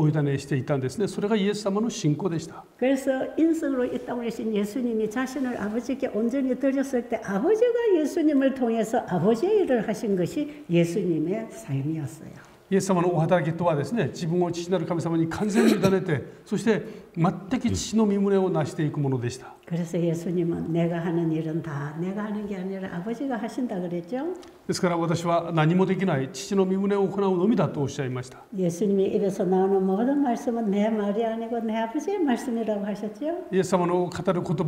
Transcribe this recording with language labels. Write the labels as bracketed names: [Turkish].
[Japanese] 예수様は自分のものを持たず、すべて父なる神様にお委ねしていたんですね。それがイエス様の信仰でした。 [Korean] 그래서 인생으로 이 땅에 오신 예수님이 자신을 아버지께 온전히 드렸을 때 아버지가 예수님을 통해서 아버지의 일을 하신 것이 예수님의 삶이었어요. [Japanese] 예수様のお働きとはですね、自分を父なる神様に完全に委ねて、そして全く父の御旨を成していくものでした。 [Korean] 그래서 예수님은 내가 하는 일은 다 내가 하는 게 아니라 아버지가 하신다 그랬죠? [Japanese] ですから私は何もできない父の御旨を行うのみだとおっしゃいました。 [Korean] 예수님이 입에서 나오는 모든 말씀은 내 말이 아니고 내 아버지의 말씀이라고 하셨죠?